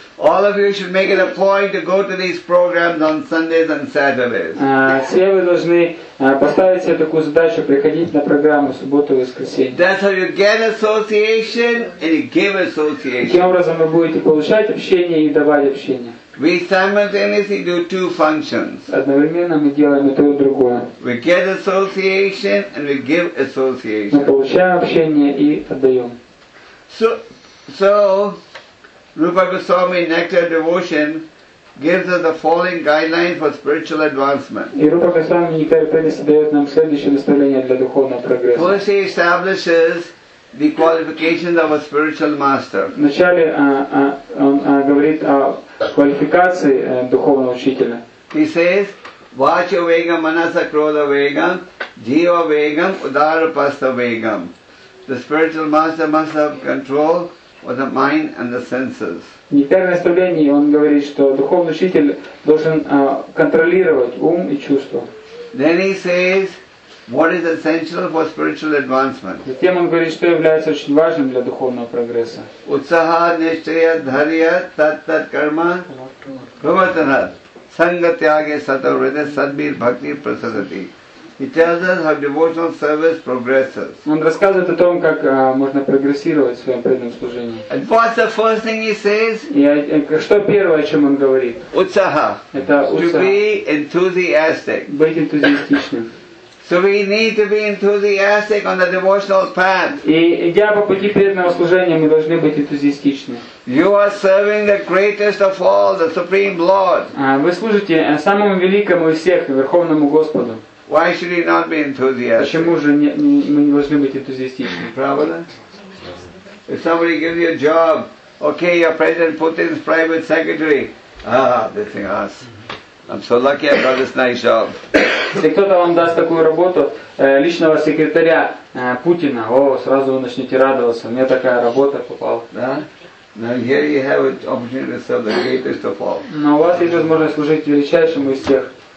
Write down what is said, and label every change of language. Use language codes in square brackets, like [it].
[en] All of you should make it a point to go to these programs on Sundays and Saturdays. [ru] Все вы должны поставить себе такую задачу приходить на программу в субботу и воскресенье. [en] That's how you get association and you give association. [ru] Таким образом вы будете получать общение и давать общение. [en] We simultaneously do two functions. [ru] Одновременно мы делаем и то, и другое. [en] We get association and we give association. [ru] Мы получаем общение и отдаем. [en] So Rupa Goswami Nectar Devotion gives us the following guidelines for spiritual advancement. [ru] И Рупа Госвами Нектар Преданности дает нам следующее наставление для духовного прогресса. [en] First he establishes the qualifications of a spiritual master. [ru] Вначале он говорит о квалификации духовного учителя. [en] He says, [sa] Vacha Vegam, Manasa Krodha Vegam, Jiva Vegam, Udara Pastha Vegam. [en] The spiritual master must have control of the mind and the senses. [ru] В первом наставлении он говорит, что духовный учитель должен контролировать ум и чувства. [en] Then he says, what is essential for spiritual advancement? [ru] Затем он говорит, что является очень важным для духовного прогресса. [sa] Utsaha, nishchaya, dharya, tat-tat karma, pravartana, sangha, tyage, satavrita, sadbir, bhakti, prasadati. [en] He tells us how devotional service progresses. [ru] Он рассказывает о том, как можно прогрессировать в своем преданном служении. [en] And what's the first thing he says? [ru] Что первое, о чем он говорит? [sa] Utsaha. [ru] Это utsaha. [en] To be enthusiastic. [ru] Быть энтузиастичным. [en] So we need to be enthusiastic on the devotional path. [ru] И идя по пути преданного служения, мы должны быть энтузиастичны. [en] You are serving the greatest of all, the Supreme Lord. [ru] Вы служите самому великому из всех, Верховному Господу. [en] Why should you not be enthusiastic? [ru] Почему же мы не должны быть энтузиастичны? Правда? [en] If somebody gives you a job, okay, you're President Putin's private secretary. This thing us. I'm so lucky I got this nice job. [ru] Если кто-то вам даст такую работу, личного секретаря Путина, сразу вы начнете радоваться. Мне такая работа попала. Да? [en] Now here you have an opportunity to serve the greatest of all. [ru] Но у вас есть возможность служить величайшему из всех.